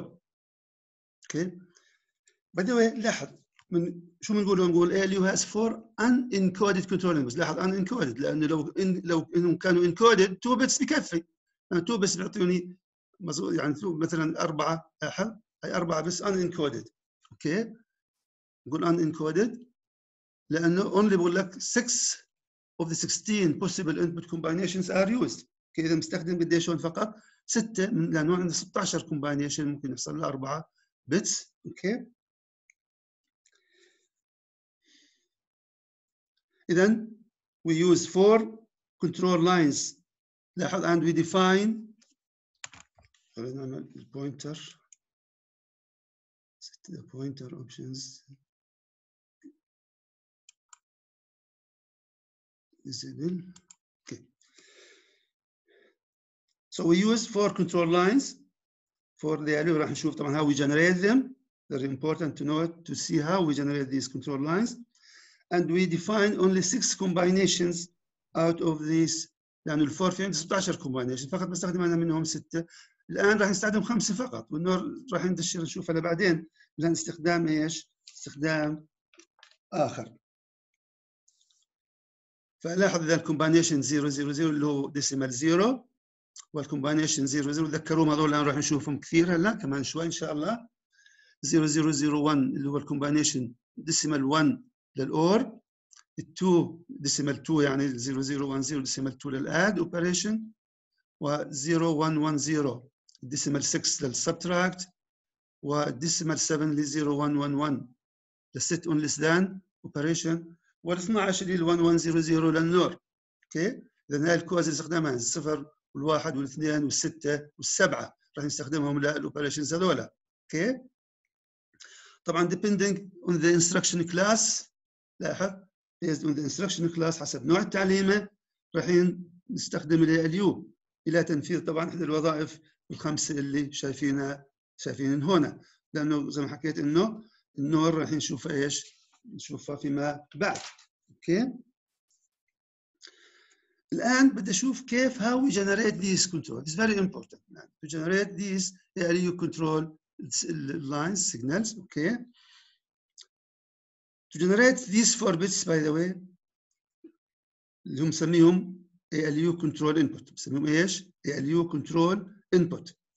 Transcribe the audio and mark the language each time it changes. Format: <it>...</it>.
<ar>اوكي، باي ذا واي لاحظ من شو بنقول، نقول</ar> <en>ALU has four unencoded control inputs.</en> <ar>لاحظ unencoded لانه لو انهم كانوا encoded 2 bits بكفي، يعني 2 bits بيعطوني مظبوط، يعني مثلا اربعه، لاحظ هي اربعه بس unencoded. اوكي، نقول</ar> <en>unencoded لانه only بقول لك 6 of the 16 possible input combinations are used.</en> <ar>اوكي، اذا مستخدم قديش هون فقط؟ ستة، لأنه عندنا 16 كومباينيشن ممكن يحصل له أربعة بتس.</ar> <en>Okay, إذا we use four control lines. لاحظ and we define،</en> <ar>خلينا نعمل البوينتر،</ar> <en>set the pointer options visible. So we use four control lines for the ALU.</en> <ar>راح نشوف طبعا</ar> <en>how we generate them. Very important to note to see how we generate these control lines. And we define only six combinations out of these.</en> <ar>لأن الفور في عندي 16 combination، فقط بستخدم أنا منهم ستة. الآن راح نستخدم خمسة فقط، والنور راح ندشر نشوفها لبعدين. لأن استخدام إيش؟ استخدام آخر. فلاحظ إذا الكومباينيشن 000 اللي هو ديسيمال 0، والكومباينيشن 00 تذكروا هذول راح نشوفهم كثير هلا كمان شوي ان شاء الله. 0001 اللي هو الكومباينيشن ديسيمال 1 للاور، ال2 ديسيمال 2 يعني 0010 ديسيمال 2 للاد اوبريشن، و0110 ديسيمال 6 للسبتراكت، والديسيمال 7 ل0111 للست اونلس ذان اوبريشن، وال12 لل1100 للنور. اوكي، اذا هاي الكوز استخدامها الصفر والواحد والاثنين والستة والسبعة، راح نستخدمهم للأوبريشنز هذولا. اوكي، طبعا</ar> <en>depending on the instruction class، لاحظ based on the instruction class</en> <ar>حسب نوع التعليمة راح نستخدم الـ ALU إلى تنفيذ طبعا أحد الوظائف الخمسة اللي شايفينها هنا، لأنه زي ما حكيت إنه النور راح نشوفه إيش نشوفه فيما بعد. أوكي الآن بدي أشوف كيف</ar> <en>how we generate these controls. It's very important to generate these ALU control lines signals. Okay. To generate these 4 bits, by the way,</en> <ar>اللي هم سميهم</ar> <en>ALU control input.</en> <ar>سميهم إيش؟ ALU control input.</ar>